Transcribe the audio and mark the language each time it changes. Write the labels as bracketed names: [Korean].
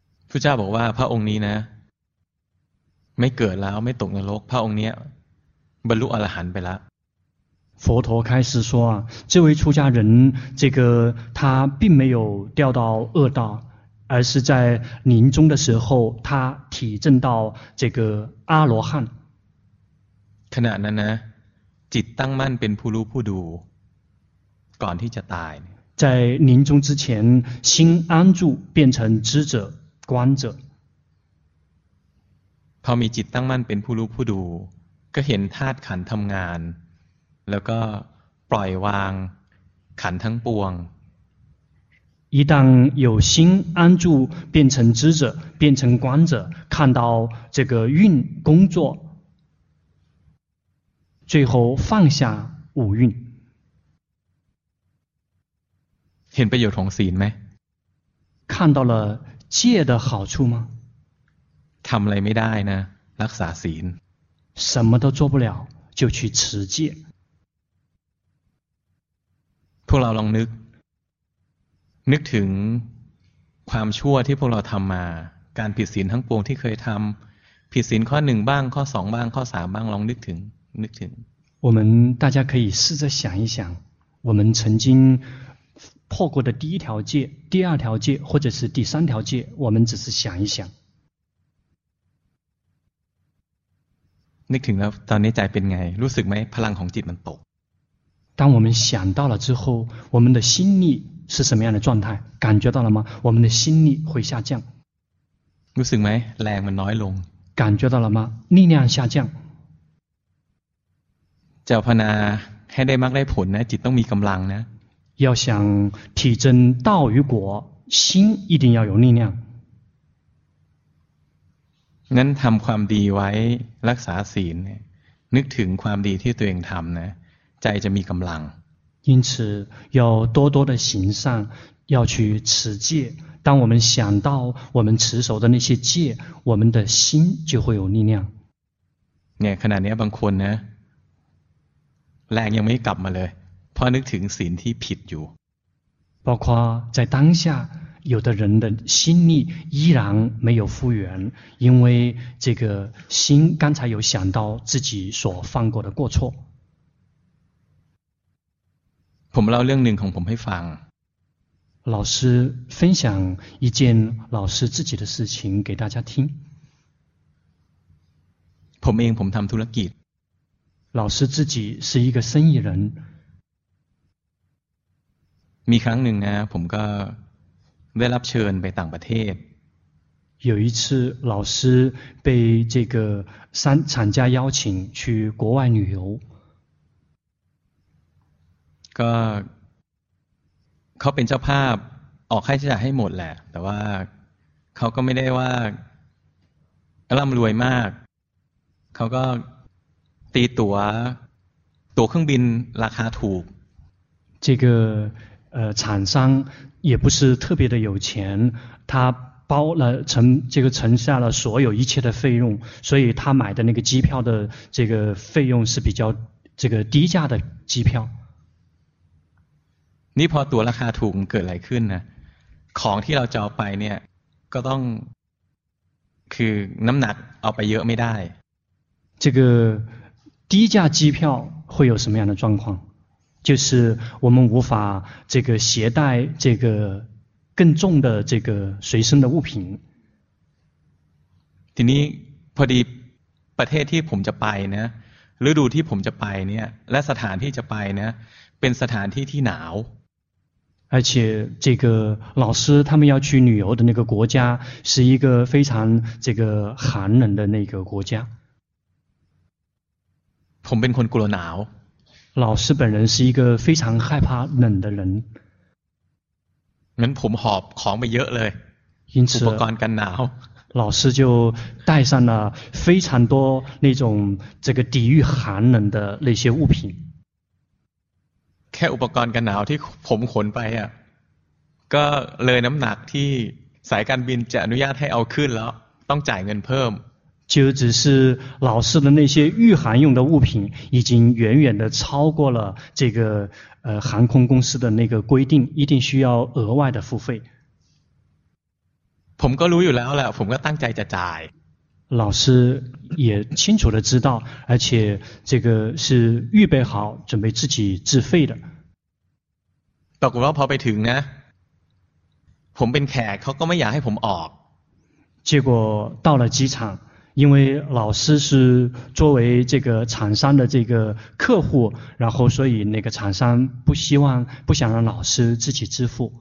[Thai] พระเจ้าบอกว่าพระองค์นี้นะไม่เกิดแล้วไม่ตกนรกพระองค์เนี้ยบรรลุอรหันต์ไปแล้ว [Chinese] 佛陀开始说啊，这位出家人这个他并没有掉到恶道。而是在临终的时候他体证到这个阿罗汉 [Thai] ขณะนั้นนะจิตตั้งมั่นเป็นผู้รู้ผู้ดูก่อนที่จะตาย [Chinese] 在临终之前心安住变成知者观者 [Thai] พอมีจิตตั้งมั่นเป็นผู้รู้ผู้ดูก็เห็นธาตุขันธ์ทำงานแล้วก็ปล่อยวางขันธ์ทั้งปวง [Chinese] 一旦有心安住变成知者变成观者看到这个运工作最后放下五运 [Thai] เห็นประโยชน์ของศีลไหม [Chinese] 看到了戒的好处吗 [Thai] ทำอะไรไม่ได้นะรักษาศีล [Chinese] 什么都做不了就去持戒 [Thai] พวกเราลองนึกถึงความชั่วที่พวกเราทำมาการผิดศีลทั้งปวงที่เคยทำผิดศีลข้อหนึ่งบ้างข้อสองบ้างข้อสามบ้างลองนึกถึง [Chinese] 我们大家可以试着想一想我们曾经破过的第一条戒第二条戒或者是第三条戒我们只是想一想 [Thai] นึกถึงแล้วตอนนี้ใจเป็นไงรู้สึกไหมพลังของจิตมันตก [Chinese] 当我们想到了之后我们的心力是什么样的状态感觉到了吗我们的心力会下降 [Thai] รู้สึกไหมแรงมันน้อยลง [Chinese] 感觉到了吗力量下降 [Thai] จะภาวนาให้ได้มรรคได้ผลนะจิตต้องมีกำลังนะ [Chinese] 要想体证道与果心一定要有力量 [Thai] งั้นทำความดีไว้รักษาศีลนึกถึงความดีที่ตัวเองทำนะใจจะมีกำลัง [Chinese] 因此要多多的行善要去持戒当我们想到我们持守的那些戒我们的心就会有力量 [Thai] เนี่ยขณะนี้บางคนนะแรงยังไม่กลับมาเลยเพราะนึกถึงศีลที่ผิดอยู่ [Chinese] 包括在当下有的人的心力依然没有复原因为这个心刚才有想到自己所犯过的过错 [Thai] ผมเล่าเรื่องหนึ่งของผมให้ฟัง [Chinese] 老师分享一件老师自己的事情给大家听 [Thai] ผมเองผมทำธุรกิจ [Chinese] 老师自己是一个生意人 [Thai] มีครั้งหนึ่งนะผมก็ได้รับเชิญไปต่างประเทศ [Chinese] 有一次老师被这个厂家邀请去国外旅游 [Thai] ก็เขาเป็นเจ้าภาพออกค่าใช้จ่ายให้หมดแหละแต่ว่าเขาก็ไม่ได้ว่าร่ำรวยมากเขาก็ตีตั๋วเครื่องบินราคาถูก [Chinese] 这个厂商也不是特别的有钱他包了承下了所有一切的费用所以他买的那个机票的这个费用是比较这个低价的机票 [Thai] นี่พอตัวราคาถูกเกิดอะไรขึ้นนะของที่เราจะเอาไปเนี่ยก็ต้องคือน้ำหนักเอาไปเยอะไม่ได้ [Chinese] 这个低价机票会有什么样的状况就是我们无法这个携带这个更重的这个随身的物品 [Thai] ทีนี้พอดีประเทศที่ผมจะไปนะฤดูที่ผมจะไปเนี่ยและสถานที่จะไปนะเป็นสถานที่ที่หนาว [Chinese] 而且这个老师他们要去旅游的那个国家是一个非常这个寒冷的那个国家 [Thai] ผมเป็นคนกลัวหนาว [Chinese] 老师本人是一个非常害怕冷的人 [Thai] งั้นผมหอบของไปเยอะเลย [Chinese] 因此 [Thai] อุปกรณ์กันหนาว [Chinese] 老师就带上了非常多那种这个抵御寒冷的那些物品 [Thai] แค่อุปกรณ์กันหนาวที่ผมขนไปอ่ะก็เลยน้ำหนักที่สายการบินจะอนุญาตให้เอาขึ้นแล้วต้องจ่ายเงินเพิ่ม [Chinese] 就只是老师的那些御寒用的物品已经远远的超过了这个航空公司的那个规定一定需要额外的付费 [Thai] ผมก็รู้อยู่แล้วแหละผมก็ตั้งใจจะจ่าย [Chinese] 老师也清楚的知道而且这个是预备好准备自己自费的 [Thai] ปรากฏว่าพอไปถึงนะผมเป็นแขกเขาก็ไม่อยากให้ผมออก [Chinese] 结果到了机场因为老师是作为这个厂商的这个客户然后所以那个厂商不希望不想让老师自己支付